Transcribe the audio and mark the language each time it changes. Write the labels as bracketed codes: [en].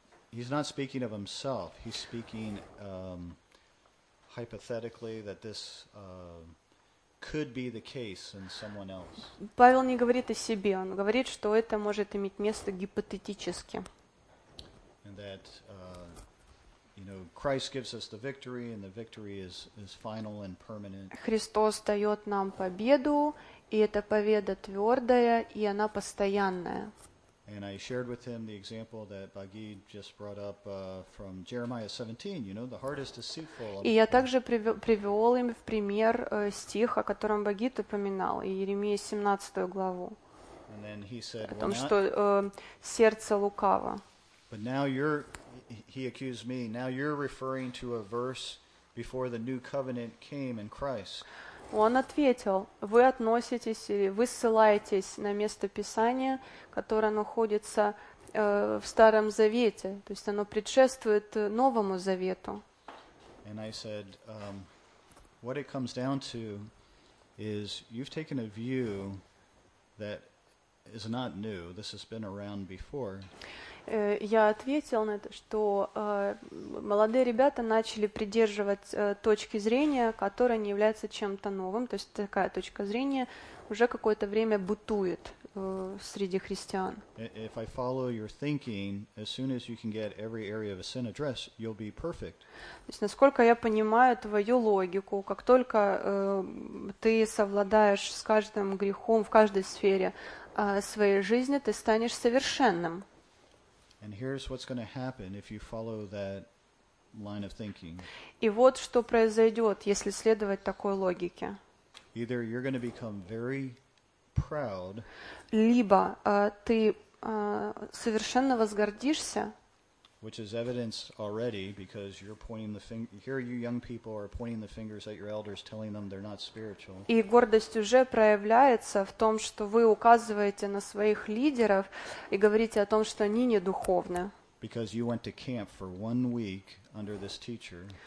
[en] He's not speaking of himself. He's speaking hypothetically that this could be the case in someone else. [ru] Павел не говорит о себе. Он говорит, что это может иметь место гипотетически. [en] And that you know, Christ gives us the victory, and the victory is final and permanent. [ru] Христос дает нам победу, и эта победа твердая, и она постоянная. [en] And I shared with him the example that Bagheed just brought up from Jeremiah 17. You know, the heart is deceitful. [ru] И я также привел им в пример стих, о котором Багид упоминал, Иеремия 17 главу. [en] And then he said, [ru] о том, что сердце лукаво. [en] But now he accused me. Now you're referring to a verse before the new covenant came in Christ. [ru] Он ответил: вы относитесь или вы ссылаетесь на место Писания, которое находится в Старом Завете, то есть оно предшествует Новому Завету. [en] And I said, what it comes down to is you've taken a view that is not new. This has been around before. [ru] Я ответил на это, что молодые ребята начали придерживать точки зрения, которая не является чем-то новым, то есть такая точка зрения уже какое-то время бытует среди христиан. [en] If I follow your thinking, as soon as you can get every area of a sin addressed, you'll be perfect. [ru] То есть, насколько я понимаю твою логику, как только ты совладаешь с каждым грехом в каждой сфере своей жизни, ты станешь совершенным. [en] And here's what's going to happen if you follow that line of thinking. [ru] И вот что произойдет, если следовать такой логике. [en] Either you're going to become very proud. [ru] Либо ты совершенно возгордишься. [en] Which is evidenced already because you're pointing the finger. Here, you young people are pointing the fingers at your elders, telling them they're not spiritual. [ru] И гордость уже проявляется в том, что вы указываете на своих лидеров и говорите о том, что они не духовны. [en] Because you went to camp for 1 week under this teacher.